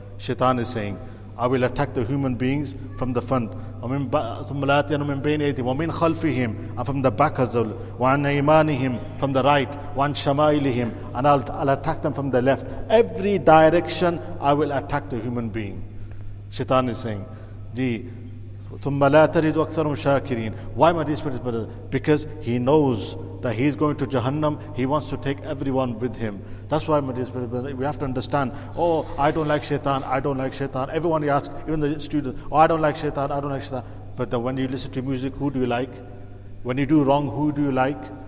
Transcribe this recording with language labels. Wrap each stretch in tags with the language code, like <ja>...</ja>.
<en>Shaitan is saying I will attack the human beings from the front.</en> <ar>وَمِنْ خَلْفِهِمْ</ar> <en>and from the back as well.</en> <ar>وَعَنْ أَيْمَانِهِمْ</ar> <en>from the right.</en> <ar>وَعَنْ شَمَائِلِهِمْ</ar> <en>and I'll attack them from the left. Every direction I will attack the human being. Shaitan is saying,</en> <ar>ثُمَّ لَا تَرِدُ أَكْثَرُمْ شَاكِرِينَ.</ar> <en>Why my spirit brother? Because he knows that he is going to Jahannam, he wants to take everyone with him. That's why my spirit brother, we have to understand, oh, I don't like Shaitan. Everyone you ask, even the students, oh, I don't like Shaitan. But then when you listen to music, who do you like? When you do wrong, who do you like?</en>